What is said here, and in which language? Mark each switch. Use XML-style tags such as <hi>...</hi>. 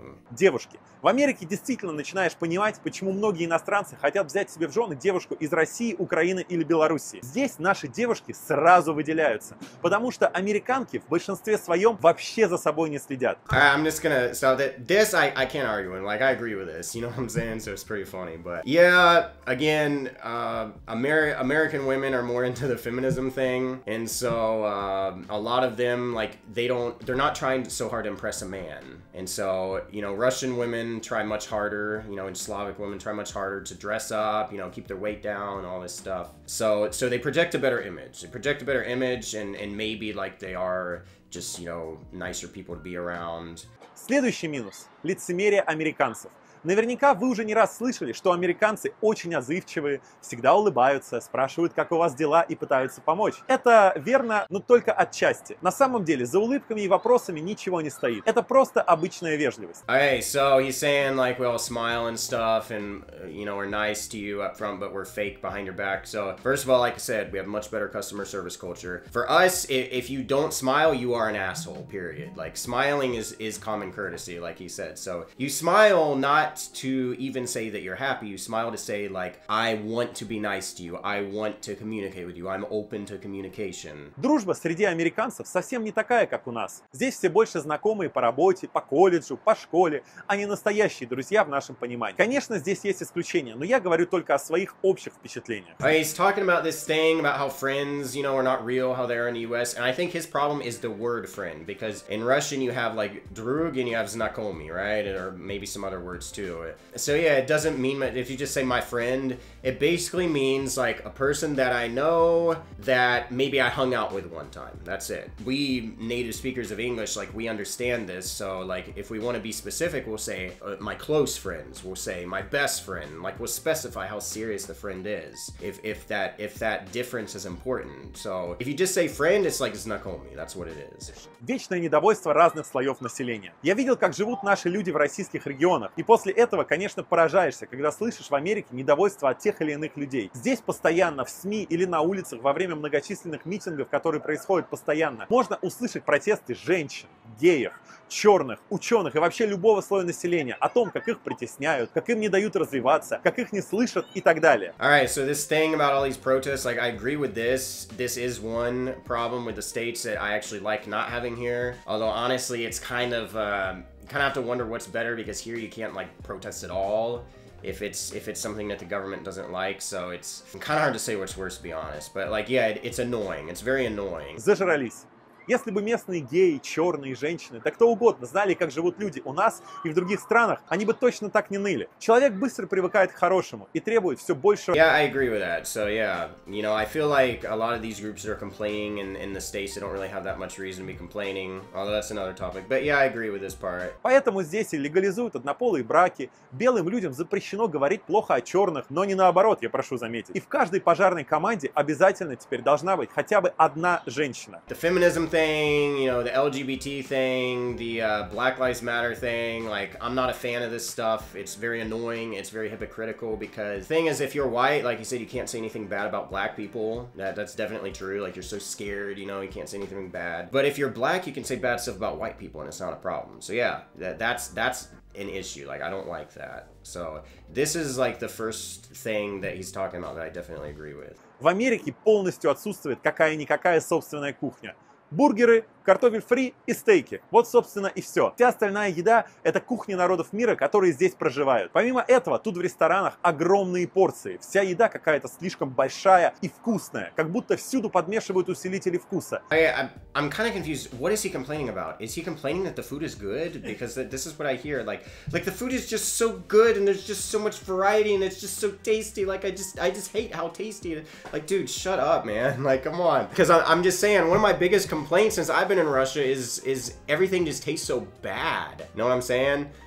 <ru>Девушки, в Америке действительно начинаешь понимать, почему многие иностранцы хотят взять себе в жены девушку из России, Украины или Белоруссии. Здесь наши девушки сразу выделяются, потому что американки в большинстве своем вообще за собой не следят.</ru> <en>I'm just gonna stop that. This I can't argue with. Like, I agree with this. You know what I'm saying? So it's pretty funny. But yeah, again, American women are more into the feminism thing, and so A lot of them, like, they're not trying so hard to impress a man. And so, you know, Russian women try much harder, you know, and Slavic women try much harder to dress up, you know, keep their weight down, all this stuff. So they project a better image. They project a better image, and maybe, like, they are just, you know, nicer people to be around.</en> <ru>Следующий минус – лицемерие американцев. Наверняка вы уже не раз слышали, что американцы очень отзывчивые, всегда улыбаются, спрашивают, как у вас дела, и пытаются помочь. Это верно, но только отчасти. На самом деле, за улыбками и вопросами ничего не стоит. Это просто обычная вежливость.</ru> <en>Okay, so he's saying, like, we all smile and stuff, and, you know, we're nice to you up front, but we're fake behind your back. So, first of all, like I said, we have much better customer service culture. For us, if you don't smile, you are an asshole, period. Like, smiling is common courtesy, like he said. So, you smile not to even say that you're happy, you smile to say, like, I want to be nice to you, I want to communicate with you, I'm open to communication.</en> <ru>Дружба среди американцев совсем не такая, как у нас. Здесь все больше знакомые по работе, по колледжу, по школе, а не настоящие друзья в нашем понимании. Конечно, здесь есть исключения, но я говорю только о своих общих впечатлениях.</ru> <en>Okay, he's talking about this thing, about how friends, you know, are not real, how they are in the US, and I think his problem is the word friend, because in Russian you have, like, друг, and you have знакомый, right, or maybe some other words too. So yeah, it doesn't mean much. If you just say my friend, it basically means, like, a person that I know that maybe I hung out with one time. That's it. We native speakers of English, like, we understand this. So, like, if we want to be specific, we'll say my close friends, we'll say my best friend, like, we'll specify how serious the friend is, if that difference is important. So if you just say friend, it's like знакомый. That's what it is.</en> <ru>Вечное недовольство разных слоев населения. Я видел, как живут наши люди в российских регионах. И после этого, конечно, поражаешься, когда слышишь в Америке недовольство от тех или иных людей. Здесь постоянно, в СМИ или на улицах, во время многочисленных митингов, которые происходят постоянно, можно услышать протесты женщин, геев, черных, ученых и вообще любого слоя населения о том, как их притесняют, как им не дают развиваться, как их не слышат и так далее.</ru> <en>All right, so this thing about all these protests, like, I agree with this. This is one problem with the states that I actually like not having here. Although, honestly, it's kind of... kind of have to wonder what's better, because here you can't, like, protest at all if it's something that the government doesn't like. So it's kind of hard to say what's worse, to be honest. But, like, yeah, it's annoying. It's very annoying.</en> <ru>Зажрались. Если бы местные геи, черные, женщины, да кто угодно знали, как живут люди у нас и в других странах, они бы точно так не ныли. Человек быстро привыкает к хорошему и требует все больше...</ru> <en>Yeah, I agree with that. So, yeah, you know, I feel like a lot of these groups are complaining in the States, they don't really have that much reason to be complaining. Although that's another topic. But yeah, I agree with this part.</en> <ru>Поэтому здесь и легализуют однополые браки. Белым людям запрещено говорить плохо о черных, но не наоборот, я прошу заметить. И в каждой пожарной команде обязательно теперь должна быть хотя бы одна женщина.</ru> <en>The feminism thing, you know, the LGBT thing, the Black Lives Matter thing, like, I'm not a fan of this stuff. It's very annoying, it's very hypocritical, because the thing is, if you're white, like you said, you can't say anything bad about black people. That's definitely true. Like, you're so scared, you know, you can't say anything bad. But if you're black, you can say bad stuff about white people, and it's not a problem. So yeah, that's an issue. Like, I don't like that. So this is, like, the first thing that he's talking about that I definitely agree with.</en> <ru>В Америке полностью отсутствует какая-никакая собственная кухня. Бургеры, картофель фри и стейки. Вот, собственно, и все. Вся остальная еда – это кухни народов мира, которые здесь проживают. Помимо этого, тут в ресторанах огромные порции. Вся еда какая-то слишком большая и вкусная. Как будто всюду подмешивают усилители вкуса.</ru> <en>I'm kind of confused. What is he complaining about? Is he complaining that the food is good? Because this is what I hear. Like the food is just so good, and there's just so much variety, and it's just so tasty. Like, I just hate how tasty it is. Like, dude, shut up, man. Like, come on. Because I'm just saying, one of my biggest complaints since I've been in Russia is everything just tastes so bad. Know what I'm saying?</en>